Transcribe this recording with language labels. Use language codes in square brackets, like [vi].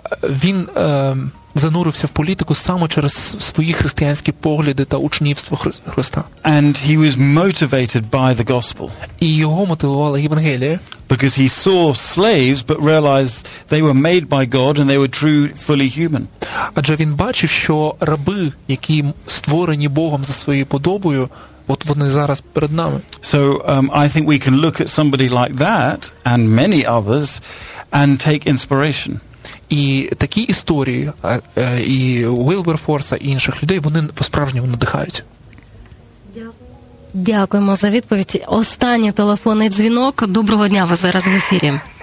[uk] Він занурився в політику саме через свої християнські погляди та учнівство Христа. [en] And he was motivated by the gospel. [uk] І його мотивувала Євангелія. [en] Because he saw slaves but realized they were made by God and they were true fully human. [uk] Адже він бачив, що раби, які створені Богом за своєю подобою, от вони зараз перед нами. [en] So I think we can look at somebody like that and many others and take inspiration. [uk] І такі історії, і Уилберфорса, і інших людей, вони по-справжньому надихають. Дякуємо за відповідь. Останній телефонний дзвінок. Доброго дня, ви зараз в ефірі.